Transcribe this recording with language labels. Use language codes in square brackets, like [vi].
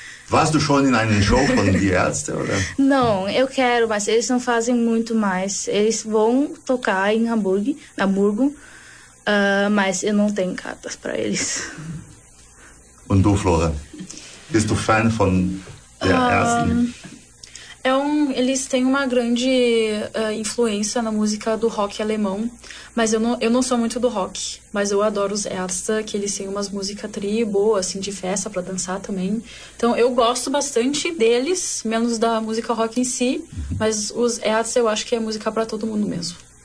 [de] Warst du schon in einem Show von Die Ärzte, oder? [pt] Não, eu quero, mas eles não fazem muito mais. Eles vão tocar em Hamburgo, mas eu não tenho cartas para eles. [de] Und du, Flora? Bist du Fan von Die Ärzte? [pt] Eles têm uma grande influência na música do rock alemão, mas eu não sou muito do rock, mas eu adoro os Ärzte, que eles têm umas músicas tri boas, assim, de festa pra dançar também. Então, eu gosto bastante deles, menos da música rock em si, mas os Ärzte eu acho que é música pra todo mundo mesmo.